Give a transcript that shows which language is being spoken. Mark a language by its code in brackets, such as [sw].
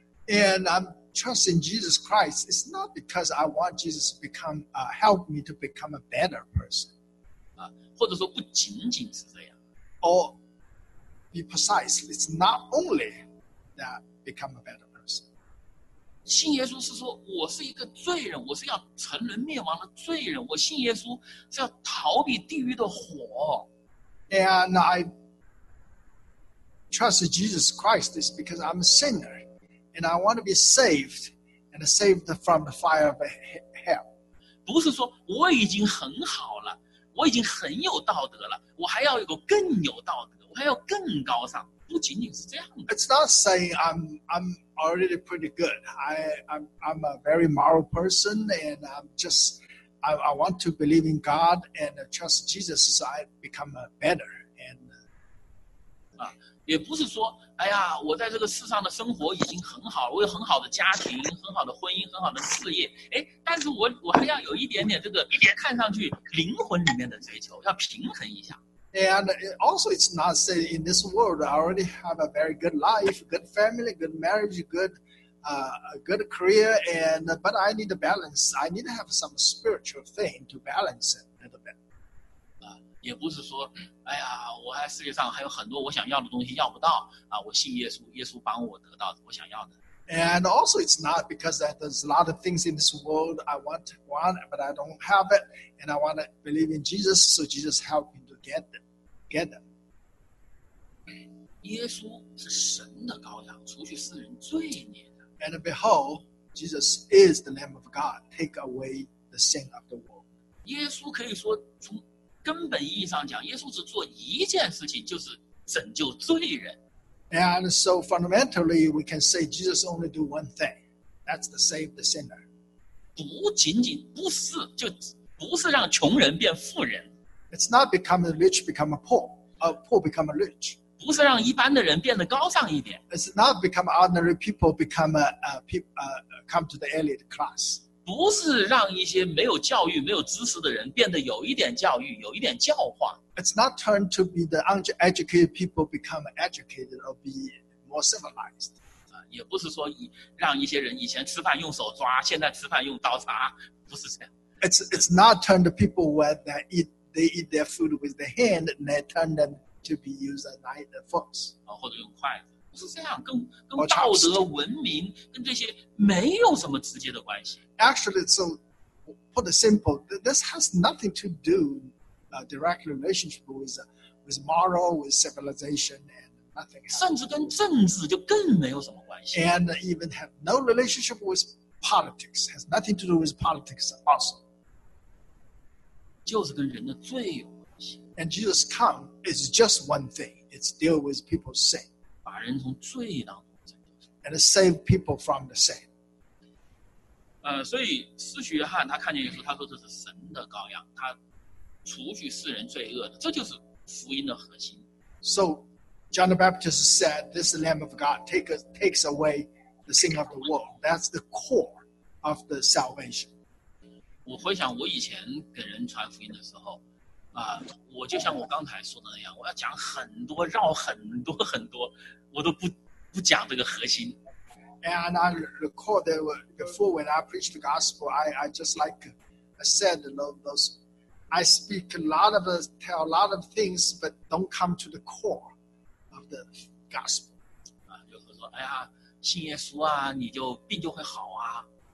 [en] And I'm trusting Jesus Christ. It's not because I want Jesus to become, help me to become a better person. [zh] 或者说不仅仅是这样。 [en] Or be precise. It's not only that become a better person. [zh] 信耶稣是说我是一个罪人，我是要沉沦灭亡的罪人。我信耶稣是要逃避地狱的火。 [en] And I trust Jesus Christ is because I'm a sinner and I want to be saved and saved from the fire of hell. [zh] 不是说我已经很好了，我已经很有道德了，我还要有个更有道德，我还要更高尚，不仅仅是这样的。 [en] It's not saying I'm already pretty good. I'm a very moral person, and I want to believe in God and trust Jesus, so I become better. And [zh] 啊，也不是说，哎呀，我在这个世上的生活已经很好了，我有很好的家庭、很好的婚姻、很好的事业。哎，但是我还要有一点点这个，一点看上去灵魂里面的追求，要平衡一下。 [en] And also, it's not saying in this world I already have a very good life, good family, good marriage, good career, and but I need a balance. I need to have some spiritual thing to balance it a little bit. [zh] 也不是说，哎呀，我在世界上还有很多我想要的东西要不到啊。我信耶稣，耶稣帮我得到我想要的。 [en] And also, it's not because that there's a lot of things in this world I want, but I don't have it, and I want to believe in Jesus, so Jesus help me to get them. [zh] 耶稣是神的羔羊，除去世人罪孽。 [en] And behold, Jesus is the Lamb of God, take away the sin of the world. [zh] 耶稣可以说从根本意义上讲，耶稣只做一件事情，就是拯救罪人。 [en] And so fundamentally, we can say Jesus only do one thing, that's to save the sinner. [zh] 不仅仅不是就不是让穷人变富人。 [en] It's not becoming rich become a poor, or poor become a rich. [zh] 不是让一般的人变得高尚一点。 [en] It's not become ordinary people become come to the elite class. [zh] 不是让一些没有教育、没有知识的人变得有一点教育、有一点教化。 [en] It's not turn to be the uneducated people become educated or be more civilized. [zh] 也不是说让一些人以前吃饭用手抓，现在吃饭用刀叉，不是这样。 [en] It's not turn the people where they eat their food with their hand and they turn them. To be used a knife, a fork, [zh] 啊，或者用筷子，不是这样，跟道德、文明跟这些没有什么直接的关系。 [en] Actually, so put it simple, this has nothing to do, direct relationship with moral, with civilization, and nothing. [zh] 甚至跟政治就更没有什么关系。 [en] And even have no relationship with politics, has nothing to do with politics also. [zh] 就是跟人的罪有关系。 [en] And Jesus come. It's just one thing. It's deal with people's sin. [zh] 把人从罪当中拯救。 [en] And save people from the sin. [zh] 所以司徒约翰他看见耶稣，他说这是神的羔羊，他除去世人罪恶的，这就是福音的核心。 [en] So John the Baptist said, "This Lamb of God takes away the sin of the world." That's the core of the salvation. [zh] 我回想我以前给人传福音的时候。我就像我刚才说的那样，我要讲很多，绕很多很多，我都不讲这个核心。 [en] And I recall that before when I preached the gospel, I just like I said those, I speak a lot of tell a lot of things, but don't come to the core of the gospel. [zh] 就是说，哎呀，信耶稣啊，你就病就会好啊。